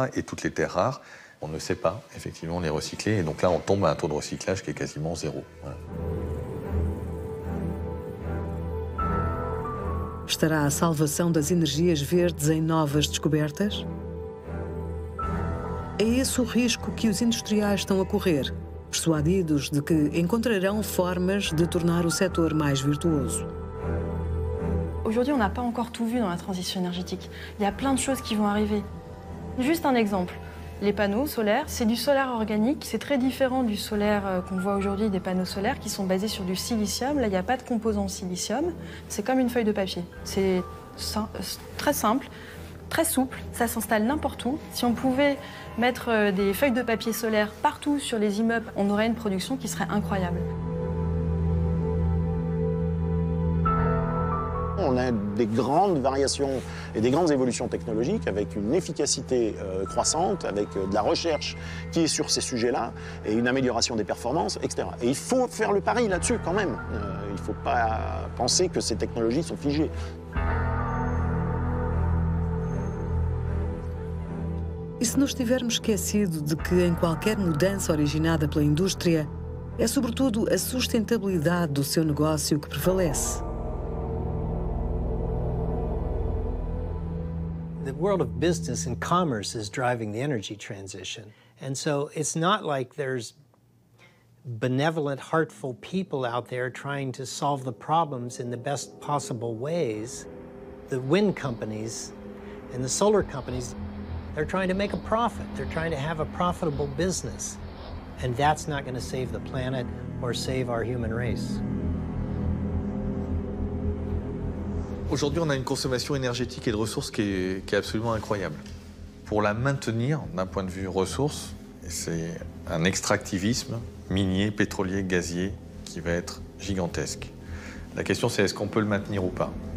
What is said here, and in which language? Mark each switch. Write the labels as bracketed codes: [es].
[fr] Et toutes les terres rares, on ne sait pas effectivement les recycler. Et donc là, on tombe à un taux de recyclage qui est quasiment zéro. Voilà. [pt] Estará a salvação das energias verdes em novas descobertas? É esse o risco que os industriais estão a correr, persuadidos de que encontrarão formas de tornar o setor mais virtuoso. [fr] Aujourd'hui, on n'a pas encore tout vu dans la transition énergétique. Il y a plein de choses qui vont arriver. Juste un exemple, les panneaux solaires, c'est du solaire organique. C'est très différent du solaire qu'on voit aujourd'hui, des panneaux solaires qui sont basés sur du silicium. Là, il n'y a pas de composant silicium. C'est comme une feuille de papier. C'est très simple. très souple, ça s'installe n'importe où. Si on pouvait mettre des feuilles de papier solaire partout sur les immeubles, on aurait une production qui serait incroyable. On a des grandes variations et des grandes évolutions technologiques avec une efficacité croissante, avec de la recherche qui est sur ces sujets-là et une amélioration des performances, etc. Et il faut faire le pari là-dessus quand même. Il ne faut pas penser que ces technologies sont figées. [pt] E se nos tivermos esquecido de que em qualquer mudança originada pela indústria, é sobretudo a sustentabilidade do seu negócio que prevalece. [en] The world of business and commerce is driving the energy transition. And so it's not like there's benevolent, heartful people out there trying to solve the problems in the best possible ways. The wind companies and the solar companies, they're trying to make a profit. They're trying to have a profitable business. And that's not going to save the planet or save our human race. [fr] Aujourd'hui, on a une consommation énergétique et de ressources qui est absolument incroyable. Pour la maintenir, d'un point de vue ressources, c'est un extractivisme minier, pétrolier, gazier qui va être gigantesque. La question, c'est est-ce qu'on peut le maintenir ou pas?